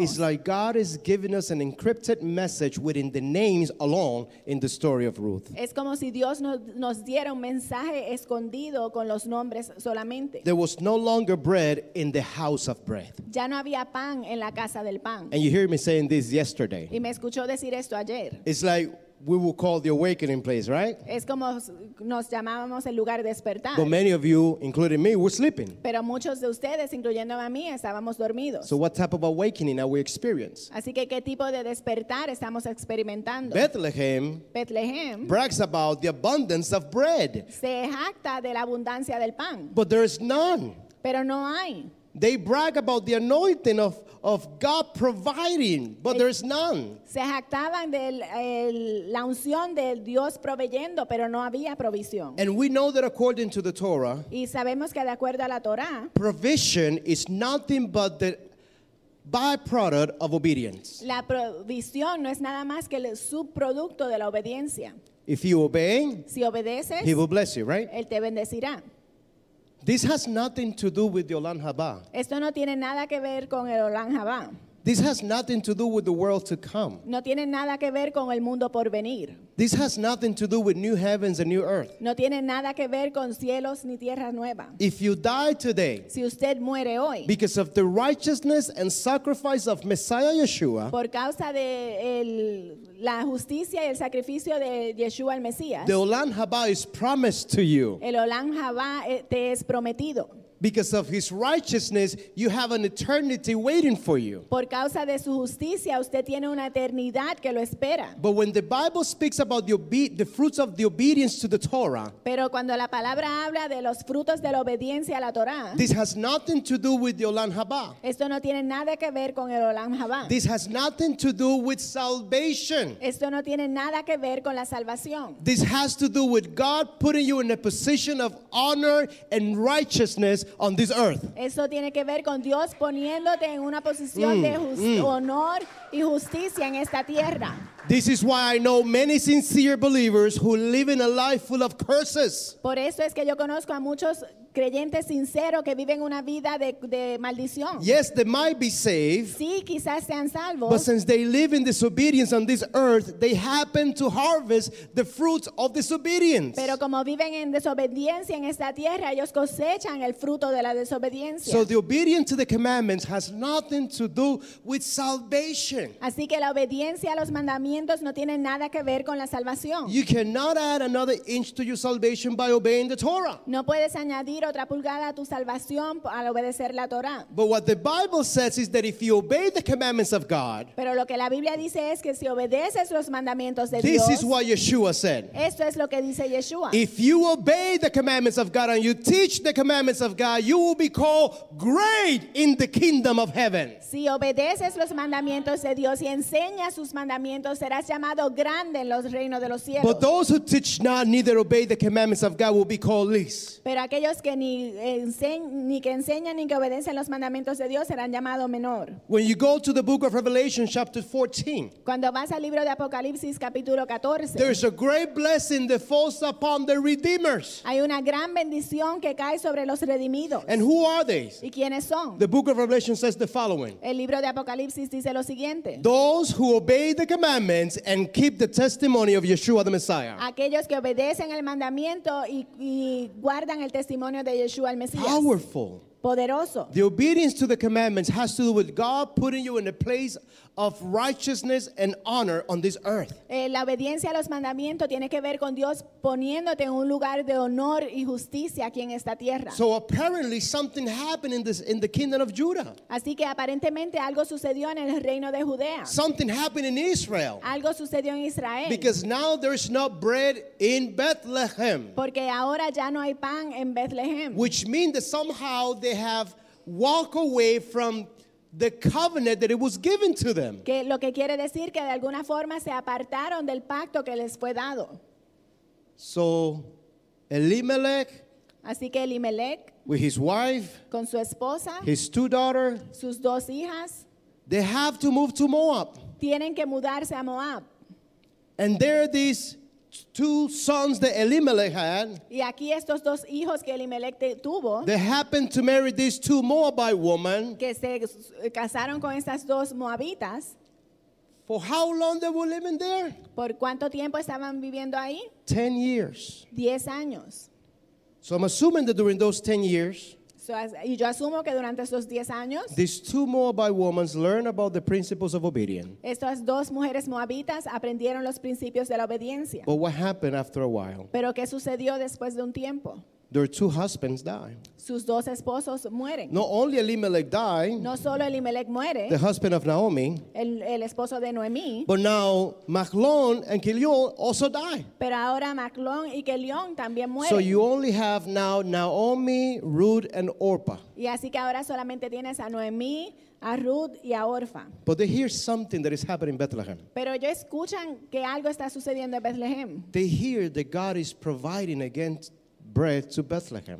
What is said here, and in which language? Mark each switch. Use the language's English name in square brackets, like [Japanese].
[English] it's like God is giving us an encrypted message within the names alone in the story of Ruth. [Spanish] Es como si Dios nos diera un mensaje escondido con los nombres solamente. [English] There was no longer bread in the house of bread. [Spanish] Ya no había pan en la casa del pan. [English] And you hear me saying this yesterday. [Spanish] Y me escuchó decir esto ayer. [English] It's like we will call the awakening place, right? [Spanish] Es como nos llamábamos el lugar despertar. [English] But many of you, including me, were sleeping. [Spanish] Pero muchos de ustedes, incluyendo a mí, estábamos dormidos. [English] So what type of awakening are we experiencing? [Spanish] Así que, ¿qué tipo de despertar estamos experimentando? [English] Bethlehem brags about the abundance of bread. [Spanish] Se jacta de la abundancia del pan. [English] But there is none. [Spanish] Pero no hay. [English] They brag about the anointing of God providing, but there is none. [Spanish] Se jactaban de la unción de Dios proveyendo, pero no había provisión. [English] And we know that according to the Torah, [Spanish] y sabemos que de acuerdo a la Torah, [English] provision is nothing but the byproduct of obedience. [Spanish] La provisión no es nada más que el subproducto de la obediencia. [English] If you obey, [Spanish] si obedeces, [English] he will bless you, right? [Spanish] Él te bendecirá. [English] This has nothing to do with the Olam Haba. [Spanish] Esto no tiene nada que ver con el Olam Haba. [English] This has nothing to do with the world to come. [Spanish] No tiene nada que ver con el mundo por venir. [English] This has nothing to do with new heavens and new earth. [Spanish] No tiene nada que ver con cielos ni tierra nueva. [English] If you die today, [Spanish] si usted muere hoy, [English] because of the righteousness and sacrifice of Messiah Yeshua, [Spanish] por causa de la justicia y el sacrificio de Yeshua el Mesías, [English] the Olam Haba is promised to you. [Spanish] El Olam Haba te es prometido. [English] Because of his righteousness, you have an eternity waiting for you. [Spanish] Por causa de su justicia, usted tiene una eternidad que lo espera. [English] But when the Bible speaks about the fruits of the obedience to the Torah, [Spanish] pero cuando la palabra habla de los frutos de la obediencia a la Torah, [English] this has nothing to do with the Olam Haba. [Spanish] Esto no tiene nada que ver con el Olam Haba. [English] This has nothing to do with salvation. [Spanish] Esto no tiene nada que ver con la salvación. [English] This has to do with God putting you in a position of honor and righteousness on this earth. [Spanish] Eso tiene que ver con Dios poniéndote en una posición de honor y justicia en esta tierra. [English] This is why I know many sincere believers who live in a life full of curses. [Spanish] Por eso es que yo conozco a muchos creyentes sinceros que viven una vida de maldición. [English] Yes, they might be saved. [Spanish] Sí, quizás sean salvos. [English] But since they live in disobedience on this earth, they happen to harvest the fruits of disobedience. [Spanish] Pero como viven en desobediencia en esta tierra, ellos cosechan el fruto de la desobediencia. [English] So the obedience to the commandments has nothing to do with salvation. [Spanish] Así que la obediencia a los mandamientos no tiene nada que ver con la salvación. [English] You cannot add another inch to your salvation by obeying the Torah. [Spanish] No puedes añadir otra pulgada a tu salvación al obedecer la Torá. [English] But what the Bible says is that if you obey the commandments of God, [Spanish] pero lo que la Biblia dice es que si obedeces los mandamientos de [English] this [Spanish] Dios, [English] this is what Yeshua said. [Spanish] Esto es lo que dice Yeshua. [English] If you obey the commandments of God and you teach the commandments of God, you will be called great in the kingdom of heaven. [Spanish] Si obedeces los mandamientos de Dios y enseñas sus mandamientos, serás llamado grande en los reinos de los cielos. [English] But those who teach not, neither obey the commandments of God, will be called least. [Spanish] Pero aquellos que ni que enseñan ni que obedecen los mandamientos de Dios serán llamados menor. [English] When you go to the book of Revelation chapter 14, [Spanish] cuando vas al libro de Apocalipsis capítulo 14, [English] there is a great blessing that falls upon the redeemers. [Spanish] Hay una gran bendición que cae sobre los redimidos. [English] And who are they? [Spanish] ¿Y quiénes son? [English] The book of Revelation says the following. [Spanish] El libro de Apocalipsis dice lo siguiente. [English] Those who obey the commandments and keep the testimony of Yeshua the Messiah. [Spanish] Aquellos que obedecen el mandamiento y guardan el testimonio de Yeshua el Mesías. [English] Powerful. [Spanish] Poderoso. [English] The obedience to the commandments has to do with God putting you in a place of righteousness and honor on this earth. [Spanish] La obediencia a los mandamientos tiene que ver con Dios poniéndote en un lugar de honor y justicia aquí en esta tierra. [English] So apparently something happened in the kingdom of Judah. [Spanish] Así que aparentemente algo sucedió en el reino de Judea. [English] Something happened in Israel. [Spanish] Algo sucedió en Israel. [English] Because now there is no bread in Bethlehem. [Spanish] Porque ahora ya no hay pan en Bethlehem. [English] Which means that somehow they have walked away from the covenant that it was given to them. [Spanish] Que lo que quiere decir que de alguna forma se apartaron del pacto que les fue dado. [English] So Elimelech, [Spanish] así que Elimelech, [English] with his wife, [Spanish] con su esposa, [English] his two daughters, [Spanish] sus dos hijas, [English] they have to move to Moab. [Spanish] Tienen que mudarse a Moab. [English] And there are these two sons that Elimelech had. [Spanish] Y aquí estos dos hijos que Elimelech tuvo. [English] They happened to marry these two Moabite women. [Spanish] Que se casaron con estas dos Moabitas. [English] For how long they were living there? [Spanish] ¿Por cuánto tiempo estaban viviendo ahí? [English] 10 years. [Spanish] 10 años. [English] So I'm assuming that during those 10 years, [Spanish] Y yo asumo que durante estos 10 años, [English] these two Moabite women learned about the principles of obedience. [Spanish] Estas dos mujeres moabitas aprendieron los principios de la obediencia. [English] But what happened after a while? [Spanish] Pero qué sucedió después de un tiempo? [English] Their two husbands die. [Spanish] Sus dos esposos mueren. [English] Not only Elimelech died. [Spanish] No solo Elimelech muere. [English] The husband of Naomi. [Spanish] El esposo de Noemi. [English] But now Mahlon and Kilion also die. [Spanish] Pero ahora Mahlon y Kilion también mueren. [English] So you only have now Naomi, Ruth, and Orpah. [Spanish] Y así que ahora solamente tienes a Noemi, a Ruth y a Orpah. [English] But they hear something that is happening in Bethlehem. [Spanish] Pero ellos escuchan que algo está sucediendo en Bethlehem. [English] They hear that God is providing against bread to Bethlehem.